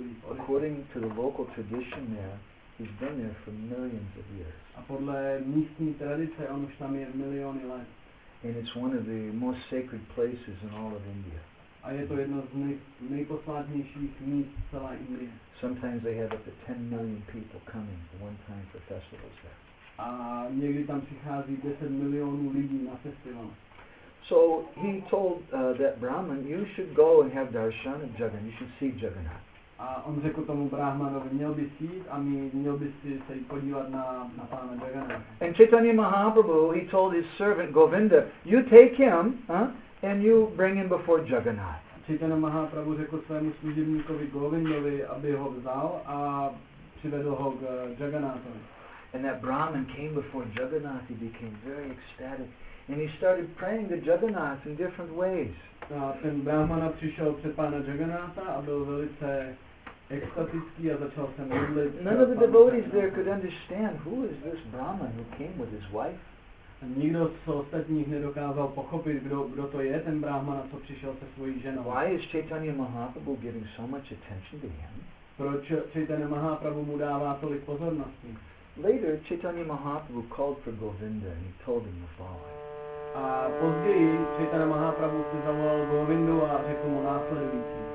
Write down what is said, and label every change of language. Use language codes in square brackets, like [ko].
[en] According to the local tradition there, he's been there for millions of years. [cs] A podle místní tradice, on už tam je miliony let. [en] And it's one of the most sacred places in all of India. [cs] A je to jedno z nejposvátnějších míst celé Indie. [en] Sometimes they have up to 10 million people coming one time for festivals there. [cs] A někdy tam přichází 10 milionů lidí na festival. [en] So he told that Brahman, you should go and have darshan of Jagannath. You should see Jagannath. [cs] A on řekl tomu Brahmanovi, měl bys jít a měl bys se jít podívat na pána Jagannatha. [en] And Chaitanya Mahaprabhu, he told his servant Govinda, you take him and you bring him before Jagannath. [cs] Chaitanya Mahaprabhu řekl svému služebníkovi Govindovi, aby ho vzal a přivedl ho k Jagannathovi. [en] And that Brahman came before Jagannath, he became very ecstatic. And he started praying to Jagannath in different ways. [cs] A ten Brahmana přišel před pána Jagannatha a byl velice extatický a začal se modlit. [en] None of the devotees there could understand who is this Brahman who came with his wife. [cs] A nikdo z ostatních nedokázal pochopit, kdo to je ten Brahmana, co přišel se svojí ženou. [en] Why is Chaitanya Mahaprabhu giving so much attention to him? [cs] Proč Chaitanya Mahaprabhu mu dává tolik pozornosti? [en] Later, Chaitanya Mahaprabhu called for Govinda and he told him the following. [cs] A později Chaitanya Mahaprabhu si zavolal Govindu a řekl mu následující.